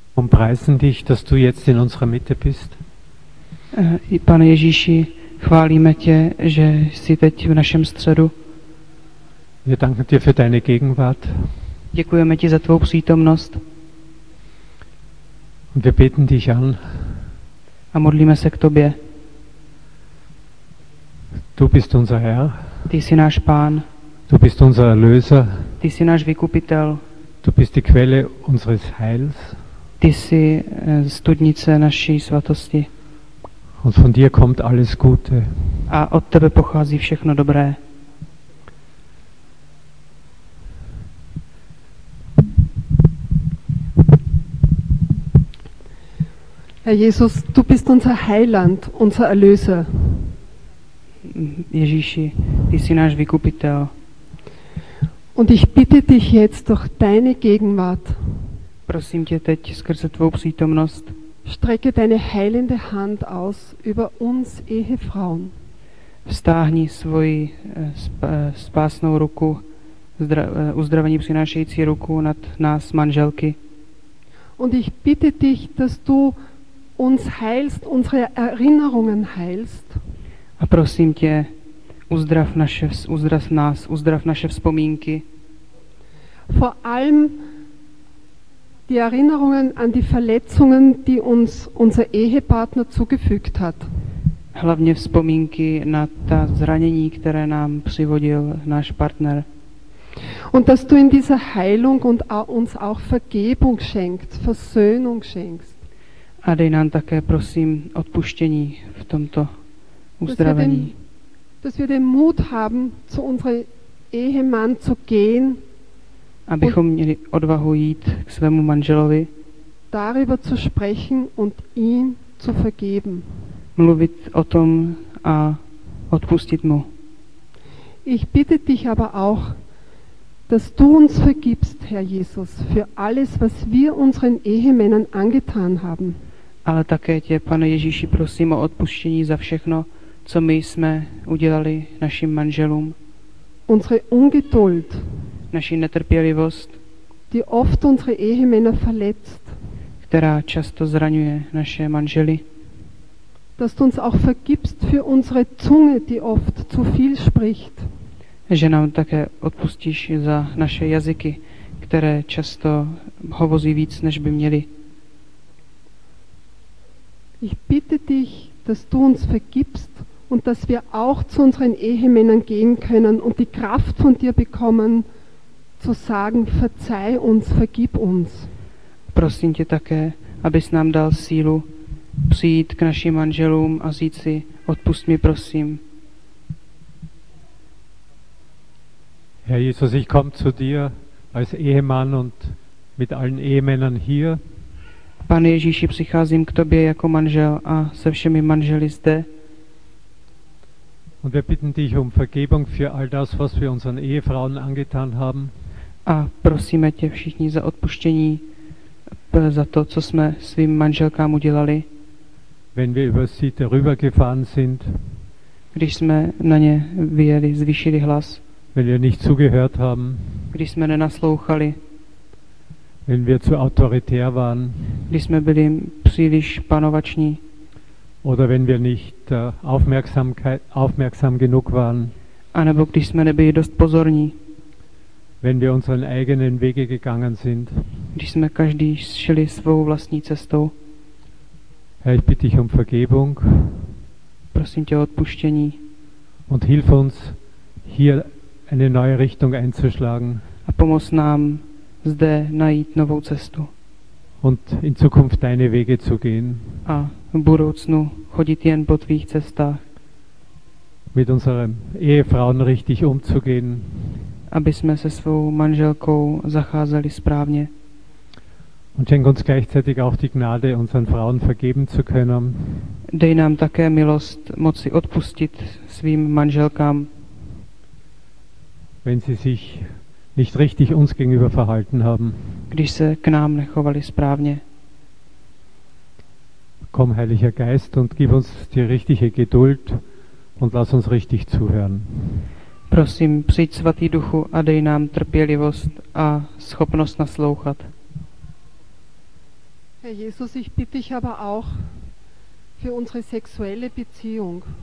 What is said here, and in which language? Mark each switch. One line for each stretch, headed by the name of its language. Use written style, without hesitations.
German: Preisen dich, dass du jetzt in unserer Mitte bist.
Czech: Pane Ježíši, chválíme tě, že jsi teď v našem středu.
German: Wir danken dir für deine Gegenwart.
Czech: Děkujeme ti za tvou přítomnost.
German: Und wir beten dich an.
Czech: A modlíme se k tobě.
German: Du bist unser Herr.
Czech: Ty jsi náš Pán.
German: Du bist unser Erlöser.
Czech: Ty jsi náš Vykupitel.
German: Du bist die Quelle unseres Heils.
Czech: Ty jsi studnice naší svatosti.
German: Und von dir kommt alles Gute.
Czech: A od tebe pochází všechno dobré.
German: Herr Jesus, du bist unser Heiland, unser Erlöser.
Czech: Ježíši, ty jsi náš vykupitel.
German: Und ich bitte dich jetzt durch deine Gegenwart.
Czech: Prosím tě teď skrze tvou přítomnost.
German: Strecke deine heilende Hand aus über uns Ehefrauen.
Czech: Vztáhni svoji spásnou ruku, uzdravení přinášející ruku nad nás manželky.
German: Und ich bitte dich, dass du uns heilst, unsere Erinnerungen heilst.
Czech: A prosím tě, uzdrav naše vzpomínky.
German: Vor allem die Erinnerungen an die Verletzungen, die uns unser Ehepartner zugefügt hat.
Czech: Hlavně vzpomínky na ta zranění, které nám přivodil náš partner.
German: Und dass du in dieser Heilung und uns auch Vergebung schenkst, Versöhnung schenkst.
Czech: A dej nám také prosím odpuštění v tomto uzdravení.
German: Dass wir den Mut haben, zu unserem Ehemann zu gehen.
Czech: Abychom měli odvahu jít k svému manželovi.
German: Darüber zu sprechen und ihm zu vergeben.
Czech: mluvit o tom a odpustit mu.
German: Ich bitte dich aber auch, dass du uns vergibst, Herr Jesus, für alles, was wir unseren Ehemännern angetan haben.
Czech: Ale také tě, Pane Ježíši, prosím o odpuštění za všechno, co my jsme udělali našim manželům.
German: Unsere Ungeduld.
Czech: Naši netrpělivost.
German: Die oft unsere Ehemänner verletzt.
Czech: Která často zraňuje naše manžely.
German: Dass du uns auch vergibst für unsere Zunge, die oft zu viel spricht.
Czech: Že nám také odpustíš za naše jazyky, které často hovoří víc, než by měli.
German: Ich bitte dich, dass du uns vergibst und dass wir auch zu unseren Ehemännern gehen können und die Kraft von dir bekommen, zu sagen, verzeih uns, vergib uns.
Czech: Prosím tě také, abys nám dal sílu přijít k našim manželům a říct si, odpust mi, prosím.
German: Herr Jesus, ich komme zu dir als Ehemann und mit allen Ehemännern hier.
Czech: Pane Ježíši, přicházím k tobě jako manžel a se všemi manželi zde.
German: Und wir bitten dich um Vergebung für all das, was wir unseren Ehefrauen angetan haben.
Czech: A prosíme tě všichni za odpuštění za to, co jsme svým manželkám udělali.
German: Wenn wir über sie darüber gefahren sind.
Czech: Když jsme na ně vyjeli, zvýšili hlas.
German: Wenn wir nicht zugehört haben.
Czech: Když jsme nenaslouchali.
German: Wenn wir zu autoritär waren.
Czech: Když jsme byli příliš panovační.
German: Oder wenn wir nicht aufmerksam genug waren.
Czech: A nebo když jsme nebyli dost pozorní.
German: Wenn wir unseren eigenen Wege gegangen sind.
Czech: Když jsme každý šli svou vlastní cestou.
German: Herr, ich bitte dich um Vergebung.
Czech: Prosím tě o odpuštění.
German: Und hilf uns hier eine neue Richtung einzuschlagen.
Czech: A pomoz nám zde najít novou cestu.
German: Und in Zukunft deine Wege zu gehen.
Czech: A v budoucnu chodit jen po tvých cestách.
German: Mit unseren Ehefrauen richtig umzugehen.
Czech: Aby jsme se svou manželkou zacházeli správně.
German: Und schenk uns gleichzeitig auch die Gnade, unseren Frauen vergeben zu können.
Czech: Dej nám také milost moci odpustit svým manželkám.
German: Wenn sie sich nicht richtig uns gegenüber verhalten haben.
Czech: Když se k nám nechovali správně.
German: Komm, Heiliger Geist, und gib uns die richtige Geduld und lass uns richtig zuhören.
Czech: Prosím, přijď Svatý Duchu a dej nám trpělivost a schopnost naslouchat.
German: Herr Jesus, ich bitte dich aber auch für unsere sexuelle Beziehung.